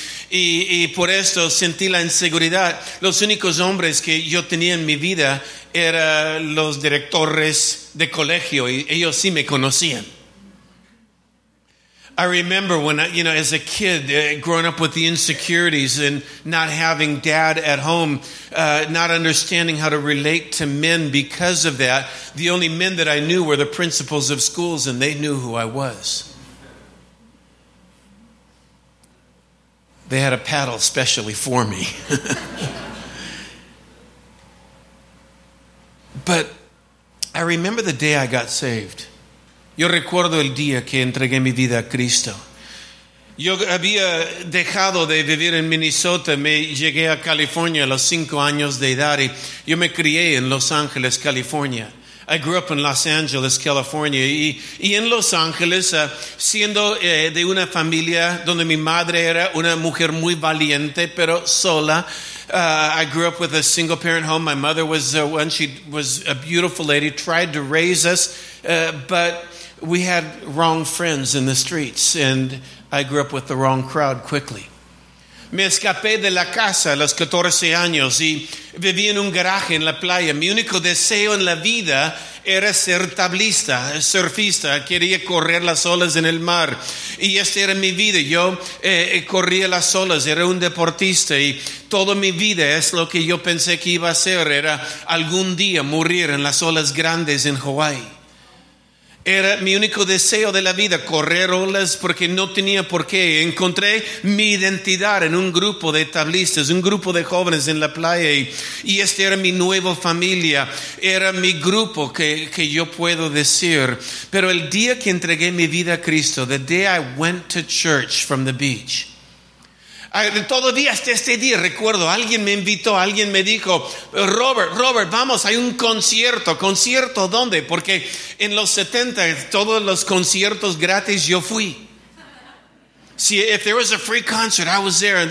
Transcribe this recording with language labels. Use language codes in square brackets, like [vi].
[es] Y por esto sentí la inseguridad. Los únicos hombres que yo tenía en mi vida eran los directores de colegio, y ellos sí me conocían. [en] I remember when, as a kid, growing up with the insecurities and not having dad at home, not understanding how to relate to men because of that. The only men that I knew were the principals of schools, and they knew who I was. They had a paddle specially for me. But I remember the day I got saved. [es] Yo recuerdo el día que entregué mi vida a Cristo. Yo había dejado de vivir en Minnesota. Me llegué a California a los 5 años de edad. Y yo me crié en Los Ángeles, California. [en] I grew up in Los Angeles, California. [es] Y en Los Ángeles, siendo de una familia donde mi madre era una mujer muy valiente, pero sola. [en] I grew up with a single parent home. My mother was one. She was a beautiful lady. Tried to raise us, but we had wrong friends in the streets, and I grew up with the wrong crowd quickly. [es] Me escapé de la casa a los 14 años y viví en un garaje en la playa. Mi único deseo en la vida era ser tablista, surfista. Quería correr las olas en el mar. Y esta era mi vida. Yo corría las olas, era un deportista. Y toda mi vida es lo que yo pensé que iba a hacer. Era algún día morir en las olas grandes en Hawaii. Era mi único deseo de la vida, correr olas, porque no tenía por qué. Encontré mi identidad en un grupo de tablistas, un grupo de jóvenes en la playa, y este era mi nueva familia, era mi grupo que yo puedo decir. Pero el día que entregué mi vida a Cristo, [en] the day I went to church from the beach, [es] todavía hasta este día recuerdo, alguien me invitó, alguien me dijo, Robert, vamos, hay un concierto. ¿Concierto dónde? Porque en los 70 todos los conciertos gratis yo fui. [en] Si, if there was a free concert, I was there.